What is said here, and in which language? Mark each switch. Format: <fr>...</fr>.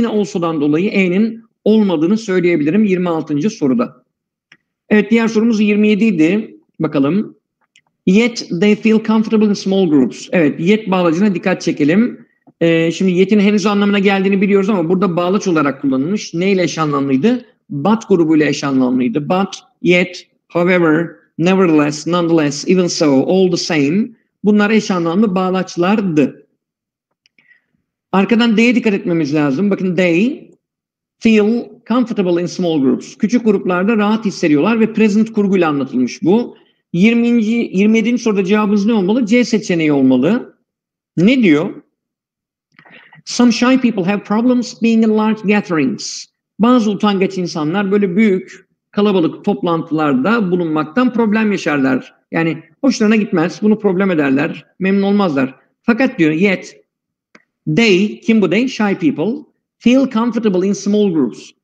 <tr>Yine also'dan dolayı E'nin olmadığını söyleyebilirim 26. soruda. Evet, diğer sorumuz 27 idi. Bakalım.</tr> <en>Yet they feel comfortable in small groups.</en> <tr>Evet, yet bağlacına dikkat çekelim. Şimdi yet'in henüz anlamına geldiğini biliyoruz ama burada bağlaç olarak kullanılmış. Neyle eş anlamlıydı? But grubuyla eş anlamlıydı.</tr> <en>But, yet, however, nevertheless, nonetheless, even so, all the same.</en> <tr>Bunlar eş anlamlı bağlaçlardı. Arkadan D'ye dikkat etmemiz lazım.</tr> <en>Bakın they feel comfortable in small groups.</en> <tr>Küçük gruplarda rahat hissediyorlar ve present kurguyla anlatılmış bu. 27. soruda cevabınız ne olmalı? C seçeneği olmalı. Ne diyor?</tr> <en>Some shy people have problems being in large gatherings.</en> <tr>Bazı utangaç insanlar böyle büyük kalabalık toplantılarda bulunmaktan problem yaşarlar. Yani hoşlarına gitmez, bunu problem ederler, memnun olmazlar. Fakat diyor,</tr> <en>yet they,</en> <tr>kim bu</tr> <en>they? Shy people feel comfortable in small groups.</en>